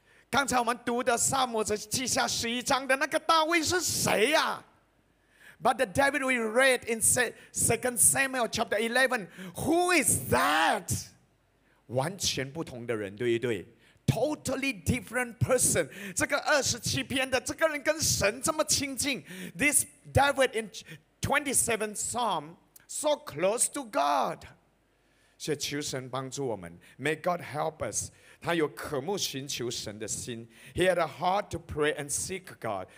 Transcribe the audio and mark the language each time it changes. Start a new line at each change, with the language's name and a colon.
Chinese: 刚才我们读的撒母耳记下11章的那个大卫是谁啊？
English: But the David we read in 2 Samuel chapter 11, who is that?
Chinese: 完全不同的人，对不对？
English: Totally different person.
Chinese: 这个27篇的这个人跟神这么亲近。
English: This David in 27th Psalm, so close to God.
Chinese: 所以求神帮助我们。
English: May God help us.
Chinese: 他有渴慕寻求神的心。
English: He had a heart to pray and seek God.